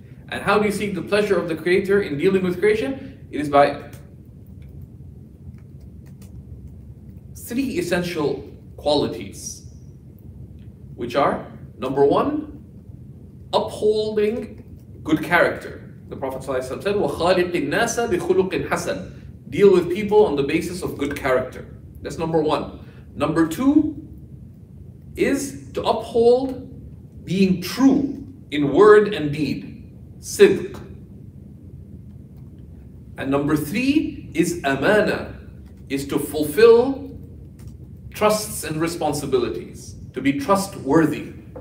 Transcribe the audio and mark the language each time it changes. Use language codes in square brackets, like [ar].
[en] And how do you seek the pleasure of the Creator in dealing with creation? It is by three essential qualities, which are, number one, upholding good character. The Prophet ﷺ said, [ar] وَخَالِقِ النَّاسَ بِخُلُقٍ حَسَنٍ. [en] Deal with people on the basis of good character. That's number one. Number two is to uphold being true in word and deed. Sidq. And number three is amana, is to fulfill trusts and responsibilities, to be trustworthy.